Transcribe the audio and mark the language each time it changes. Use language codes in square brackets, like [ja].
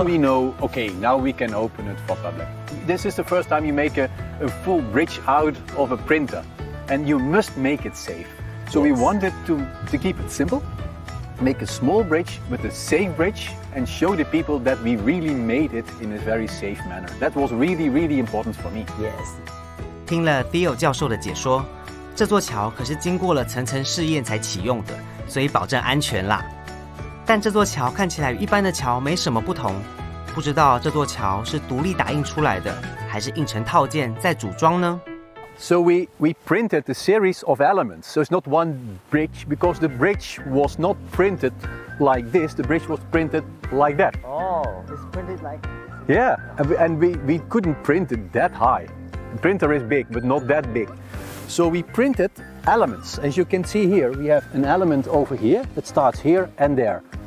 [en] then we know, okay, now we can open it for public. This is the first time you make a full bridge out of a printer, and you must make it safe. So yes. We wanted to keep it simple, make a small bridge with a safe bridge, and show the people that we really made it in a very safe manner. That was really, really important for me. Yes. [zh] 听了 Theo 教授的解说，这座桥可是经过了层层试验才启用的，所以保证安全啦。但这座桥看起来与一般的桥没什么不同，不知道这座桥是独立打印出来的，还是印成套件再组装呢 [en] ？So we printed a series of elements. So it's not one bridge because the bridge was not printed like this. The bridge was printed like that. Oh, it's printed like. Yeah, and we couldn't print it that high. The printer is big, but not that big. So we printed elements. As you can see here, we have an element over here that starts here and there.